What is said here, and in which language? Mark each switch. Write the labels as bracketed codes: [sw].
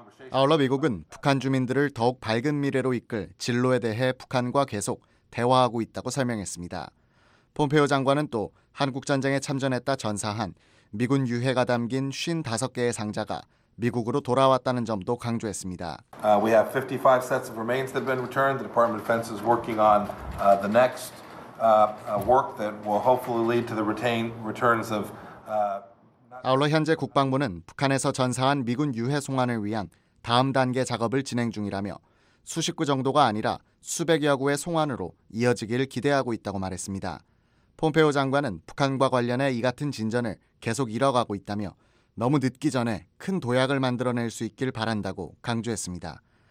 [ko] 아울러 미국은 북한 주민들을 더욱 밝은 미래로 이끌 진로에 대해 북한과 계속 대화하고 있다고 설명했습니다. 폼페오 장관은 또 한국전쟁에 참전했다 전사한 미군 유해가 담긴 55개의 상자가 미국으로 돌아왔다는 점도 강조했습니다. [en] We have 55 sets of remains that have been returned. The Department of Defense is working on the next work that will hopefully lead to the returns of [ko] 아울러 현재 국방부는 북한에서 전사한 미군 유해 송환을 위한 다음 단계 작업을 진행 중이라며 수십 구 정도가 아니라 수백여 구의 송환으로 이어지기를 기대하고 있다고 말했습니다. 폼페오 장관은 북한과 관련해 이 같은 진전을 계속 이뤄가고 있다며 너무 늦기 전에 큰 도약을 만들어낼 수 있길 바란다고 강조했습니다.